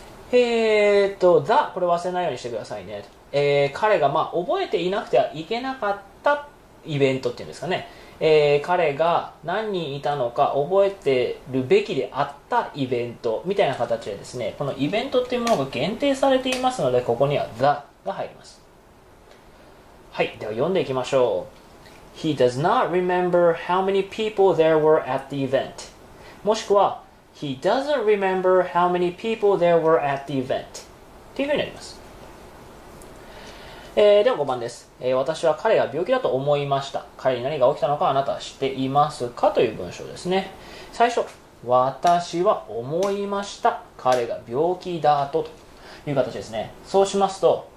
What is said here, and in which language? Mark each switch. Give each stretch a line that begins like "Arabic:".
Japanese: the、これ忘れないようにしてくださいね。彼が、まあ、覚えていなくてはいけなかったイベントっていうんですかね。彼が何人いたのか覚えてるべきであったイベントみたいな形でですね、このイベントっていうものが限定されていますので、ここには the が入ります。はい、では読んでいきましょう。
English: He does not remember how many people there were at the event.
Japanese: もしくは、
English: He doesn't remember how many people there were at the event.
Japanese: っていうふうになります。では5番です。私は彼が病気だと思いました。彼に何が起きたのかあなたは知っていますかという文章ですね。最初、私は思いました。彼が病気だと。という形ですね。そうしますと、